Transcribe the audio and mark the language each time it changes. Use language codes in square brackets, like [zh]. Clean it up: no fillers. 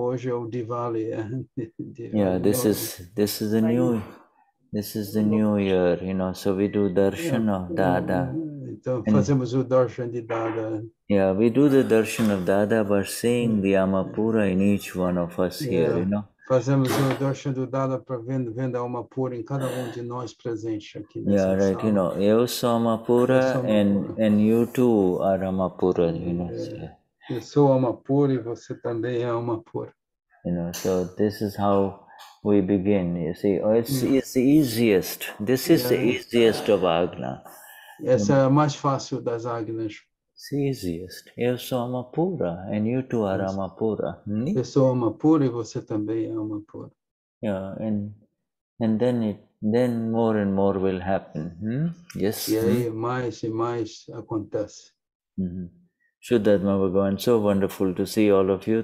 [pt] Hoje é o Diwali. [en] This is the new year, you know. So we do darshan of Dada. [pt] Então, fazemos o darshan de Dada. [en] Yeah, we do the darshan of Dada by seeing the Amapura in each one of us here, you know. [pt] Fazemos o darshan do Dada para vendo a Amapura em cada de nós presente aqui nessa sala. [en] Yeah, right, you know. [pt] Eu sou Amapura [en] and you too are Amapura, you know. [pt] Eu sou Amapura e você também é Amapura. [en] You know, so this is how we begin, you see. Oh, it's the easiest. This is the easiest of Agna. [pt] Essa é a mais fácil das Agnas. [en] It's the easiest. [pt] Eu sou Amapura, [en] and you too are Amapura. [pt] Eu sou Amapura e você também é Amapura. [en] Yeah, and then then more and more will happen. Hmm? Yes. [pt] E aí mais e mais acontece. Mm-hmm. [en] Shuddhatma Bhagavan, so wonderful to see all of you.